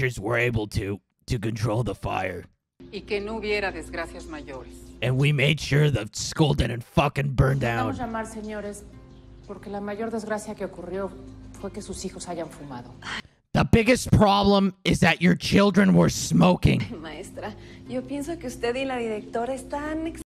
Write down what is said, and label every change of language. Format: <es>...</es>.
<en>The teachers were able to control the fire.</en> <es>Y que no hubiera desgracias mayores.</es> <en>And we made sure the school didn't fucking burn down.</en> <es>Vamos a llamar, señores, porque la mayor desgracia que ocurrió fue que sus hijos hayan fumado.</es> <en>The biggest problem is that your children were smoking.</en> <es>Maestra, yo pienso que usted y la directora están...</es>